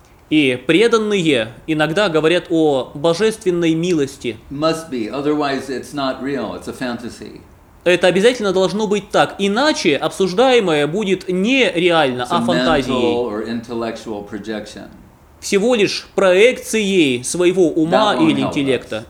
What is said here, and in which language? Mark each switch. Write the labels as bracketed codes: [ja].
[ru] И преданные иногда говорят о божественной милости. [en] Must be, otherwise it's not real, it's a fantasy. [ru] Это обязательно должно быть так, иначе обсуждаемое будет не реально, а фантазией. [en] Mental or intellectual projection. [ru] Всего лишь проекцией своего ума или интеллекта.